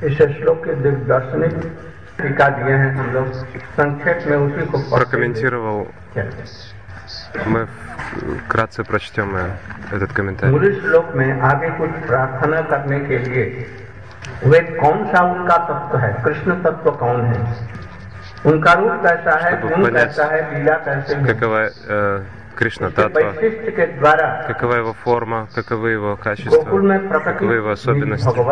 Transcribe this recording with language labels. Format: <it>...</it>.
<hi>इस श्लोक के दिग्दर्शनिक टीका दिए हैं हम लोग, संक्षेप में उसी को प्रकमेंटिरोवल।</hi> <ru>Мы вкратце прочтем этот комментарий.</ru> <hi>श्लोक में आगे कुछ प्रार्थना करने के लिए वे कौन सा उनका तत्व है, कृष्ण तत्व कौन है, उनका रूप कैसा है, गुण कैसा है, लीला कैसे है,</hi> <ru>какова Кришна татва, какова его форма, каковы его качества, каковы его особенности.</ru>